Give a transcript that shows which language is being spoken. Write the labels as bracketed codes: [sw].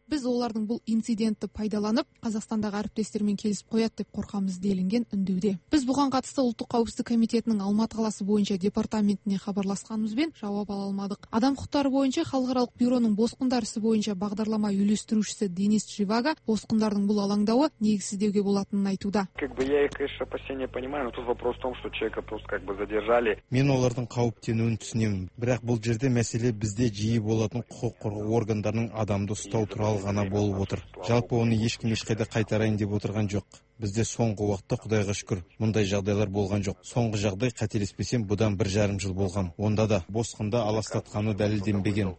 [kk] Біз олардың бұл инцидентті пайдаланып, Қазақстандағы әріптестермен келісіп қояды деп қорқамыз делінген үндеуде. Біз бұған қатысты Ұлттық қауіпсіздік комитетінің Алматы қаласы бойынша департаментіне хабарласқанымызбен жауап ала алмадық. Адам құқықтары бойынша халықаралық бюроның босқындар ісі бойынша бағдарлама үйлестірушісі Денис Живаго босқындардың бұл алаңдауы негізсіз деуге болатынын айтуда. [ru] Я их, конечно, опасения понимаю, но тут вопрос в том, что человека просто как бы задержали. [kk] Мен олардың қауіптенуін түсінемін. Бірақ бұл жерде мәселе бізде жиі болатын құқық қорғау органдарының адамды ұстау туралы ғана болып отыр. Жалпы оны ешкім ешқайда қайтарайын деп отырған жоқ. Бізде соңғы уақытта, Құдайға шүкір, мұндай жағдайлар болған жоқ. Соңғы жағдай, қателеспесем, бұдан бір жарым жыл болған. Онда да босқында аластатқаны дәлелденбеген.